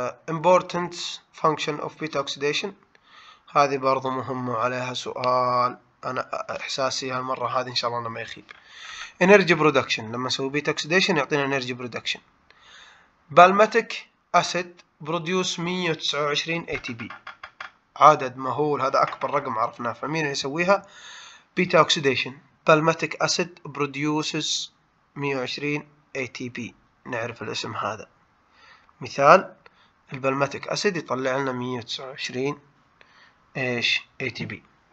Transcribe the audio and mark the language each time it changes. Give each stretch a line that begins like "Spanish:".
English: important function of beta oxidation،
Arabic: هذه برضو مهمة عليها سؤال، أنا إحساسي هالمرة هذه إن شاء الله أنا ما يخيب.
English: energy production
Arabic: لما نسوي
English: beta oxidation يعطينا energy production. Palmitic acid produce 129 A T P,
Arabic: عدد مهول، هذا اكبر رقم عرفناه، فمين اللي يسويها؟ بيتا اوكسيديشن.
English: palmitic acid produces 120 A T P,
Arabic: نعرف الاسم هذا، مثال البالماتيك اسيد يطلع لنا 129 ايش اي تي بي.